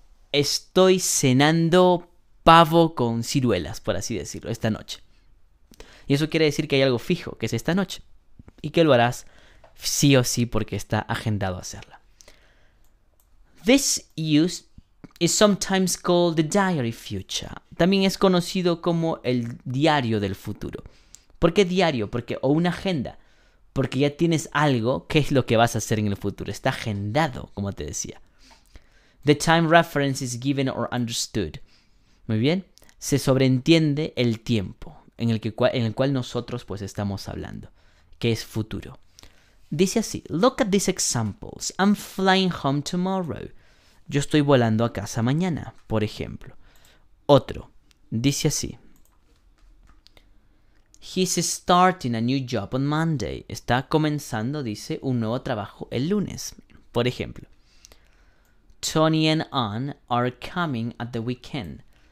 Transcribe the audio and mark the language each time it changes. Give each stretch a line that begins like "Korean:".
Spanish: estoy cenando pavo con ciruelas, por así decirlo, esta noche. Y eso quiere decir que hay algo fijo, que es esta noche. Y que lo harás sí o sí porque está agendado hacerla.
English: This use is sometimes called the diary future.
Spanish: También es conocido como el diario del futuro. ¿Por qué diario? Porque, o una agenda. Porque ya tienes algo que es lo que vas a hacer en el futuro. Está agendado, como te decía.
English: The time reference is given or understood.
Spanish: Muy bien. Se sobreentiende el tiempo en el cual nosotros pues estamos hablando, que es futuro. Dice así:
English: Look at these examples. I'm flying home tomorrow.
Spanish: Yo estoy volando a casa mañana, por ejemplo. Otro. Dice así:
English: He's starting a new job on Monday.
Spanish: Está comenzando, dice, un nuevo trabajo el lunes, por ejemplo.
English: Tony and Ann are coming at the weekend.